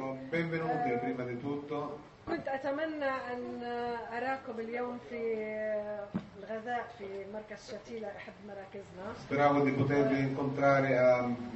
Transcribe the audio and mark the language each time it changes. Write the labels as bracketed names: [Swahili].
[Italian] benvenuti prima di tutto. [Arabic] كنت اتمنى ان اراكم اليوم في الغذاء في مركز شتيلة احد مراكزنا. [Italian] Speravo di potervi incontrare a